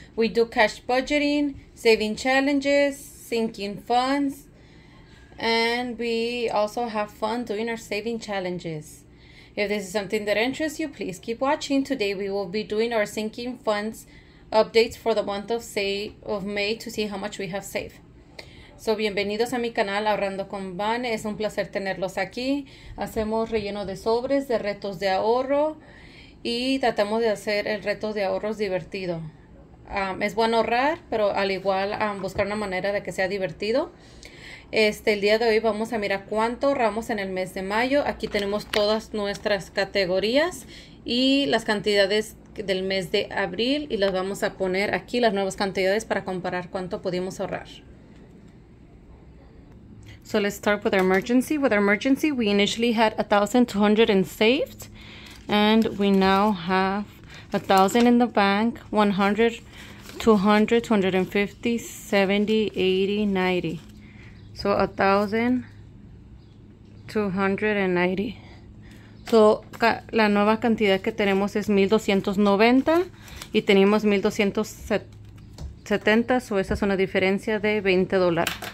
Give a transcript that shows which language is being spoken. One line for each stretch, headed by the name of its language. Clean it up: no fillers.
English: We do cash budgeting, saving challenges, sinking funds, and we also have fun doing our saving challenges. If this is something that interests you, please keep watching. Today we will be doing our sinking funds updates for the month of May to see how much we have saved. So,
Spanish: bienvenidos a mi canal Ahorrando con Van. Es un placer tenerlos aquí. Hacemos relleno de sobres, de retos de ahorro, y tratamos de hacer el reto de ahorros divertido. Es bueno ahorrar, pero al igual buscar una manera de que sea divertido. El día de hoy vamos a mirar cuánto ahorramos en el mes de mayo. Aquí tenemos todas nuestras categorías y las cantidades del mes de abril. Y las vamos a poner aquí, las nuevas cantidades, para comparar cuánto pudimos ahorrar.
English: So let's start with our emergency. With our emergency, we initially had $1,200 saved, and we now have $1,000 in the bank, $100, $200, $250, $70, $80, $90. So
Spanish: $1,290. So la nueva cantidad que tenemos es $1,290 y tenemos $1,270. So esa es una diferencia de $20.